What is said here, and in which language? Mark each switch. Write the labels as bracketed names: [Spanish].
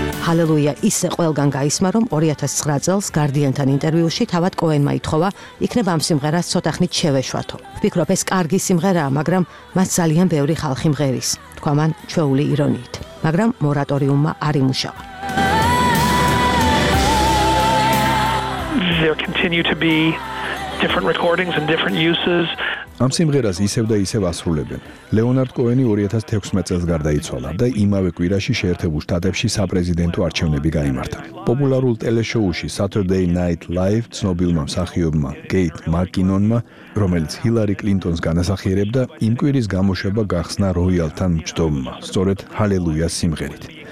[Georgian] ჰალელუია ისე ყველგან გაისმა, რომ 2009 წელს გარდიანთან ინტერვიუში თავად კოენმა ითხოვა, იქნებ ამ სიმღერას ცოტა ხნით შევეშვათო. ვფიქრობ, ეს კარგი სიმღერაა, მაგრამ მას ძალიან ბევრი ხალხი მღერის, თქვა მან ჩვეული ირონიით. მაგრამ მორატორიუმმა არ იმუშავა. [English] There continue to be different recordings and different uses. [Georgian] ამ სიმღერას ისევ და ისევ ასრულებენ. ლეონარდ კოენი 2016 წელს გარდაიცვალა და იმავე კვირაში შეერთებულ შტატებში საპრეზიდენტო არჩევნები გაიმართა. პოპულარულ ტელეშოუში Saturday Night Live ცნობილმა მსახიობმა გეით მაკინონმა, რომელიც ჰილარი კლინტონს განასახიერებდა, იმ კვირის გამოშვება გახსნა როიალთან მჯდომმა, სწორედ ჰალელუია სიმღერით.